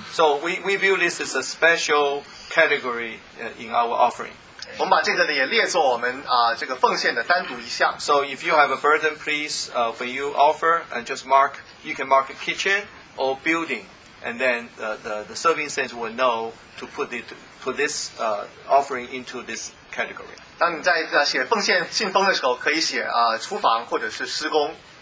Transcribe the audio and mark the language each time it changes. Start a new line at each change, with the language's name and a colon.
English: So we view this as a special category in our offering.
Chinese: 我们把这个呢也列作我们啊、这个奉献的单独一项。
English: So if you have a burden, please, when you offer and just mark, you can mark a kitchen or building, and then the serving saints will know to put it put this offering into this category.
Chinese: 当你在写奉献信封的时候，可以写啊、厨房或者是施工。